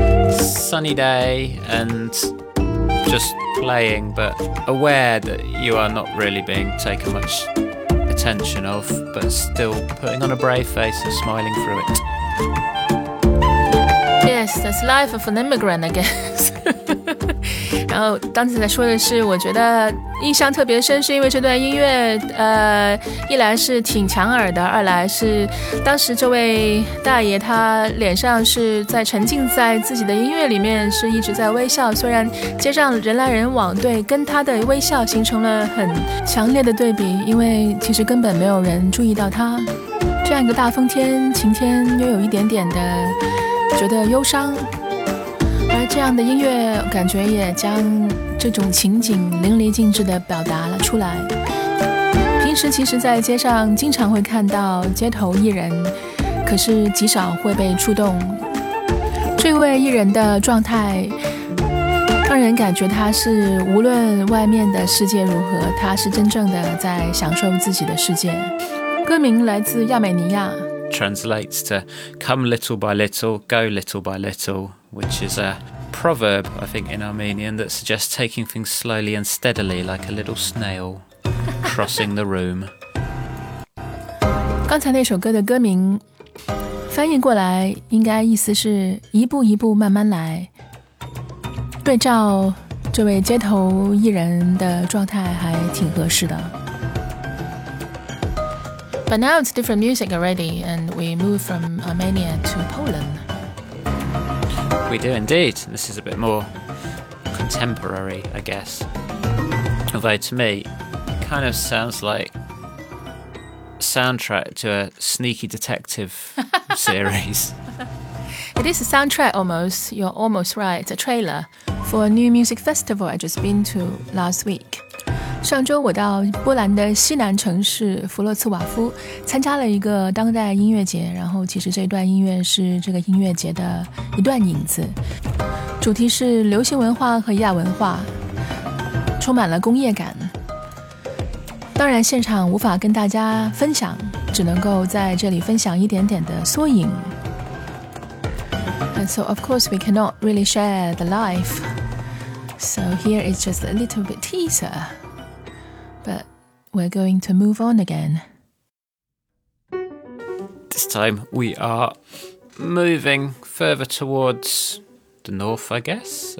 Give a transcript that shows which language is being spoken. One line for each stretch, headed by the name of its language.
English: Sunny day and just playing, but aware that you are not really being taken much attention of, but still putting on a brave face and smiling through it. Yes, that's life of an immigrant, I guess.
Chinese: 然后当时在说的是，我觉得印象特别深，是因为这段音乐，一来是挺抢耳的，二来是当时这位大爷他脸上是在沉浸在自己的音乐里面，是一直在微笑，虽然街上人来人往，对，跟他的微笑形成了很强烈的对比，因为其实根本没有人注意到他。这样一个大风天，晴天又有一点点的觉得忧伤。而这样的音乐感觉也将这种情景淋漓尽致地表达了出来。平时其实在街上经常会看到街头艺人，可是极少会被触动。这位艺人的状态让人感觉他是无论外面的世界如何，他是真正的在享受自己的世界。歌名来自亚美尼亚，
English: translates to come little by little, go little by little,which is a proverb, I think, in Armenian that suggests taking things slowly and steadily, like a little snail crossing the room.
Chinese: 刚才那首歌的歌名翻译过来应该意思是一步一步慢慢来。对照这位街头艺人的状态还挺合适的。
English: But now it's different music already, and we move from Armenia to Poland. We do indeed. This is a bit more contemporary, I guess. Although to me, it kind of sounds like a soundtrack to a sneaky detective series. It is a soundtrack almost. You're almost right. A trailer for a new music festival I just been to last week.
Chinese: 上周我到波兰的西南城市弗洛茨瓦夫参加了一个当代音乐节，然后其实这段音乐是这个音乐节的一段影子，主题是流行文化和亚文化，充满了工业感。当然现场无法跟大家分享，只能够在这里分享一点点的缩影。
English: And so of course we cannot really share the life, so here is just a little bit teaserBut we're going to move on again. This time, we are moving further towards the north, I guess.